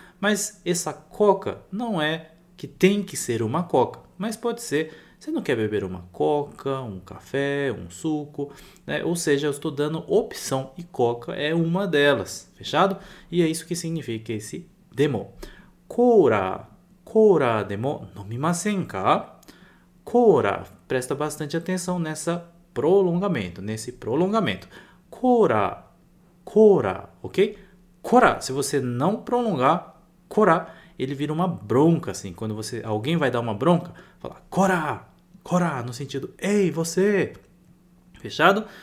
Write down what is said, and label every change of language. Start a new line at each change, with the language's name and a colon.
Portuguese: Mas essa coca não é que tem que ser uma coca, mas pode ser: você não quer beber uma coca, um café, um suco, né? Ou seja, eu estou dando opção e coca é uma delas, fechado? E é isso que significa esse demo.
Japanese: コーラでも飲みませんか？
Portuguese: コーラ、presta bastante atenção nesse prolongamento. コーラ、 kora, ok? Kora, se você não prolongar kora, ele vira uma bronca, assim. Quando você, alguém vai dar uma bronca, fala kora, kora, no sentido, ei, você, fechado?